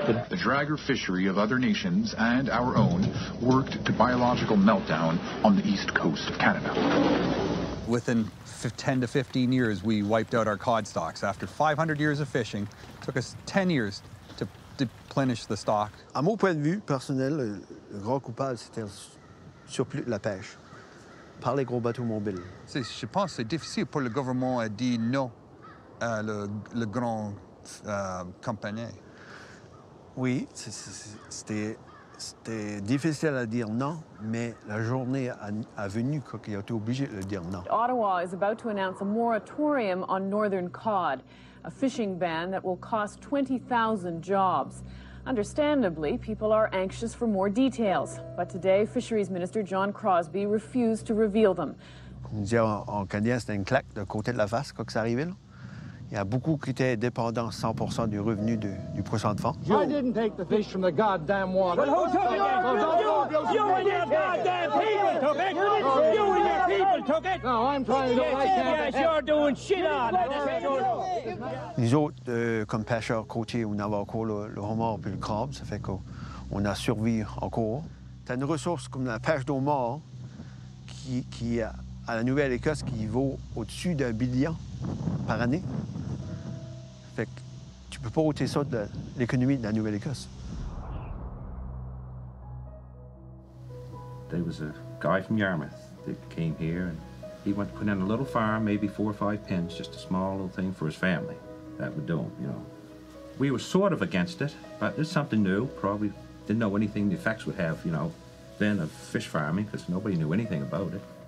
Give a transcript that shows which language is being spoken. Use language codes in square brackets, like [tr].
[en] The dragger fishery of other nations and our own worked to biological meltdown on the east coast of Canada. Within 10 to 15 years, we wiped out our cod stocks. After 500 years of fishing, it took us 10 years to replenish the stock. [fr] À mon point de vue personnel, le grand coupable, c'était le surplus de la pêche par les gros bateaux mobiles. C'est, je pense que c'est difficile pour le gouvernement de dire non à le grand compagnie. Oui, c'était difficile à dire non, mais la journée a venu quand il a été obligé de dire non. [en] Ottawa is about to announce a moratorium on northern cod, a fishing ban that will cost 20,000 jobs. Understandably, people are anxious for more details, but today, Fisheries Minister John Crosby refused to reveal them. [fr] Comme on dit en canadien, c'était une claque de côté de la face quand c'est arrivé là. Il y a beaucoup qui étaient dépendants 100% du revenu du poisson de fond. [en] I didn't take the fish from the goddamn water. Well, who took it? You and your goddamn people took it. You and your people took it. No, I'm trying to do it. Yes, you're doing shit on it. [fr] Les autres, comme pêcheurs côtiers, on avait encore le homard puis le crabe. Ça fait qu'on a survécu encore. T'as une ressource comme la pêche d'homard qui à la Nouvelle-Écosse, qui vaut au-dessus d'un billion par année. Fait que tu peux pas ôter ça de l'économie de la Nouvelle-Écosse. [en] There was a guy from Yarmouth that came here and he went to put in a little farm, maybe 4 or 5 pens, just a small little thing for his family. That would do him, you know. We were sort of against it, but it's something new. Probably didn't know anything the effects would have, you know, then of fish farming, because nobody knew anything about it.